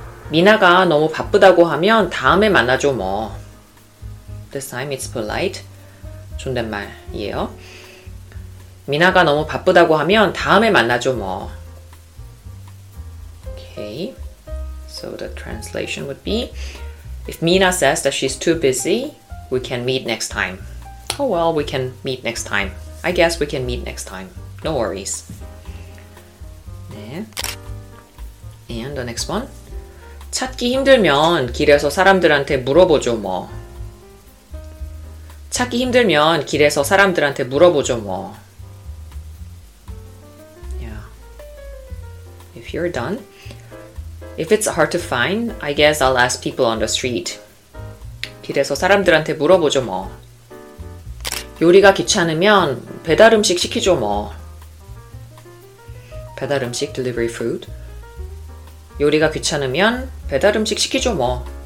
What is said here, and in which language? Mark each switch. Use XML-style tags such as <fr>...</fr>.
<ko>미나가 너무 바쁘다고 하면 다음에 만나줘 뭐.</ko> <en>This time it's polite.</en> <ko>존댓말이에요. 미나가 너무 바쁘다고 하면 다음에 만나줘 뭐.</ko> <en>Okay. So the translation would be, if Mina says that she's too busy, we can meet next time. Oh well, we can meet next time. I guess we can meet next time. No worries. 네. And the next one.</en> <ko>찾기 힘들면 길에서 사람들한테 물어보죠 뭐. 찾기 힘들면 길에서 사람들한테 물어보죠 뭐.</ko> <en>Yeah. If you're done. If it's hard to find, I guess I'll ask people on the street.</en> <ko>길에서 사람들한테 물어보죠 뭐. 요리가 귀찮으면 배달음식 시키죠 뭐.</ko> <en>배달음식, delivery food.</en> <ko>요리가 귀찮으면 배달음식 시키죠 뭐.</ko>